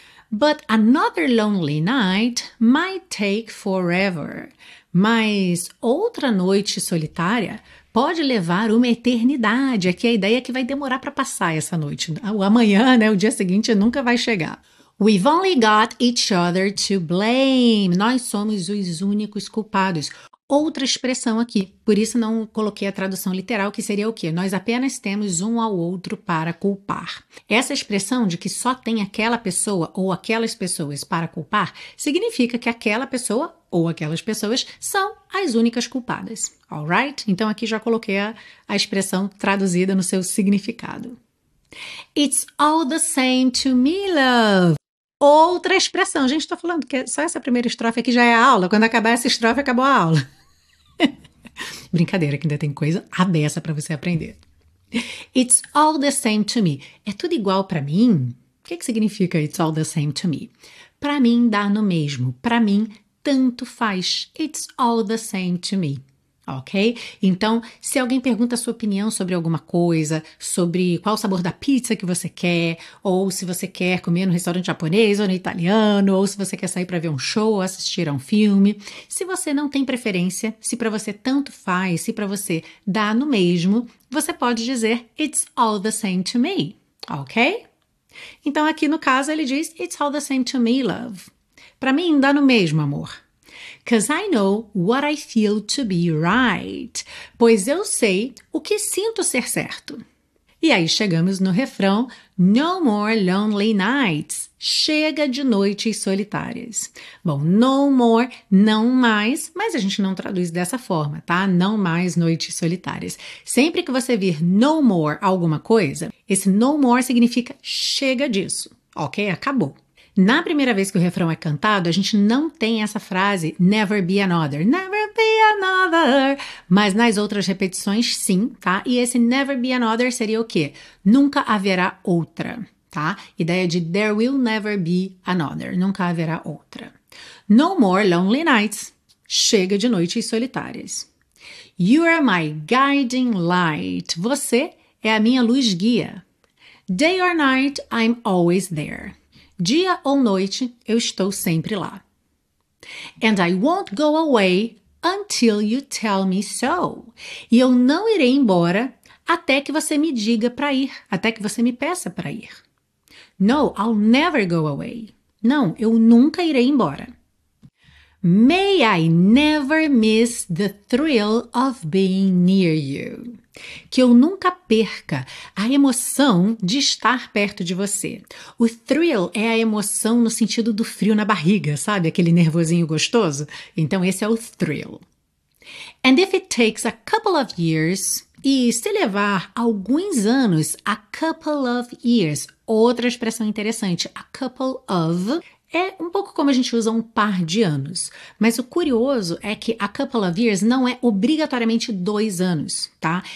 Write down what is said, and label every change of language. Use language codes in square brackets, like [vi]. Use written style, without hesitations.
[en] But another lonely night might take forever. [pt] Mas outra noite solitária pode levar uma eternidade. Aqui a ideia é que vai demorar para passar essa noite. O amanhã, né? O dia seguinte nunca vai chegar. [en] We've only got each other to blame. [pt] Nós somos os únicos culpados. Outra expressão aqui, por isso não coloquei a tradução literal, que seria o quê? Nós apenas temos um ao outro para culpar. Essa expressão de que só tem aquela pessoa ou aquelas pessoas para culpar, significa que aquela pessoa ou aquelas pessoas são as únicas culpadas. Alright? Então aqui já coloquei a expressão traduzida no seu significado. [en] It's all the same to me, love. [pt] Outra expressão. Gente, estou falando que só essa primeira estrofe aqui já é a aula. Quando acabar essa estrofe, acabou a aula. Brincadeira, que ainda tem coisa a beça para você aprender. [en] It's all the same to me. [pt] É tudo igual para mim? O que significa [en] it's all the same to me? [pt] Para mim, dá no mesmo. Para mim, tanto faz. [en] It's all the same to me. Ok? [pt] Então, se alguém pergunta a sua opinião sobre alguma coisa, sobre qual sabor da pizza que você quer, ou se você quer comer no restaurante japonês ou no italiano, ou se você quer sair para ver um show ou assistir a um filme, se você não tem preferência, se para você tanto faz, se para você dá no mesmo, você pode dizer [en] It's all the same to me, [pt] ok? Então, aqui no caso, ele diz [en] It's all the same to me, love. [pt] Para mim, dá no mesmo, amor. [en] Because I know what I feel to be right. [pt] Pois eu sei o que sinto ser certo. E aí chegamos no refrão, [en] no more lonely nights. [pt] Chega de noites solitárias. Bom, [en] no more, [pt] não mais, mas a gente não traduz dessa forma, tá? Não mais noites solitárias. Sempre que você vir [en] no more [pt] alguma coisa, esse no more significa chega disso, ok? Acabou. Na primeira vez que o refrão é cantado, a gente não tem essa frase [en] never be another, never be another, [pt] mas nas outras repetições sim, tá? E esse [en] never be another [pt] seria o quê? Nunca haverá outra, tá? Ideia de [en] there will never be another, [pt] nunca haverá outra. [en] No more lonely nights, [pt] chega de noites solitárias. [en] You are my guiding light, [pt] você é a minha luz guia. [en] Day or night, I'm always there. [pt] Dia ou noite, eu estou sempre lá. [en] And I won't go away until you tell me so. [pt] E eu não irei embora até que você me diga para ir, até que você me peça para ir. [en] No, I'll never go away. [pt] Não, eu nunca irei embora. [en] May I never miss the thrill of being near you. [pt] Que eu nunca perca a emoção de estar perto de você. O thrill é a emoção no sentido do frio na barriga, sabe? Aquele nervosinho gostoso. Então, esse é o thrill. [en] And if it takes a couple of years, [pt] e se levar alguns anos, [en] a couple of years, [pt] outra expressão interessante, a couple of, é um pouco como a gente usa um par de anos, mas o curioso é que [en] a couple of years [pt] não é obrigatoriamente 2 anos, tá?